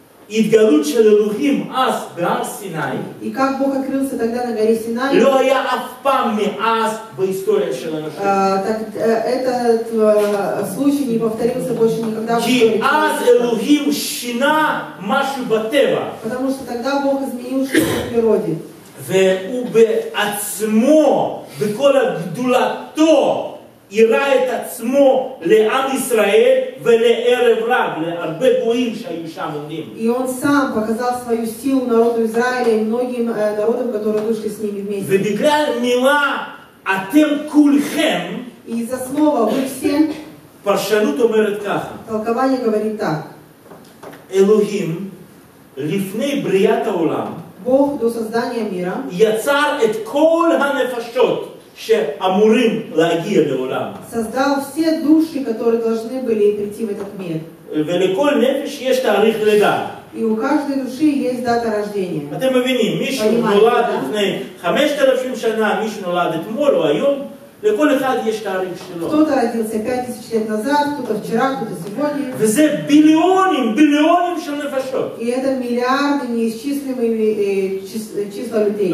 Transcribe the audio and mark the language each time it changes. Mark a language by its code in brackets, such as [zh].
[he] והתגלות של אלוהים אז בהר סיני. [ru] И как Бог открылся тогда на горе Синай. [he] לא היה אף פעם מאז בהיסטוריה של האנושות. [ru] Этот случай не повторился больше никогда. [he] כי אז אלוהים שינה משהו בטבע. [ru] Потому что тогда Бог изменил что-то в природе. [he] והוא בעצמו, בכל הגדולתו, יראה את עצמו לעם ישראל ולערב רב, להרבה גויים שהיו שם עומדים. [ru] И он сам показал свою силу народу Израиля и многим народам, которые вышли с ними вместе. [he] ובגלל מילה אתם כולכם, [ru] и из-за слова вы все, [he] פרשנות אומרת ככה. [ru] Толкование говорит так. [he] אלוהים, לפני בריאת העולם, [ru] Бог до создания мира, [he] יצר את כל הנפשות, שאמורים להגיע לעולם. [ru] Создал все души, которые должны были прийти в этот мир. [he] ולכל נפש יש תאריך לידה. [ru] И у каждой души есть дата рождения. [he] אתם מבינים, מישהו נולד לפני 5,000 שנה, מישהו נולד אתמול או היום, לכל אחד יש תאריך שלו. [ru] Кто-то родился 5000 лет назад, кто-то вчера, кто-то сегодня. [he] וזה ביליונים, ביליונים של נפשות. [ru] И это миллиарды неисчислимые числа людей.